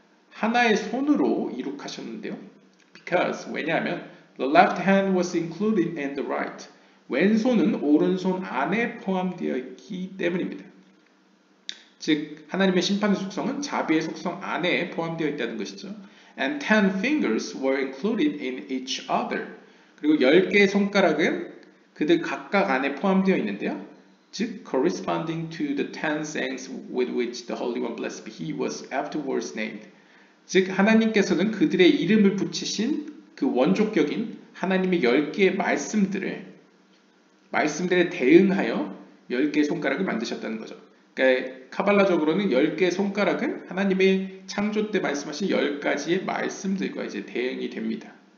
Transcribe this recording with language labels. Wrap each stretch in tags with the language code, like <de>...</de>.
<ko>하나의 손으로 이룩하셨는데요.</ko> <en>Because, 왜냐하면, the left hand was included in the right.</en> <ko>왼손은 오른손 안에 포함되었기 때문입니다. 즉, 하나님의 심판의 속성은 자비의 속성 안에 포함되어 있다는 것이죠.</ko> <en>And 10 fingers were included in each other.</en> <ko>그리고 10개의 손가락은 그들 각각 안에 포함되어 있는데요.</ko> <en>즉, corresponding to the 10 things with which the Holy One, blessed be He, was afterwards named.</en> <ko>즉, 하나님께서는 그들의 이름을 붙이신 그 원조격인 하나님의 10개의 말씀들에 대응하여 10개의 손가락을 만드셨다는 거죠. 그러니까 카발라적으로는 10개의 손가락은 하나님의 창조 때 말씀하신 10가지의 말씀들과 이제 대응이 됩니다.</ko>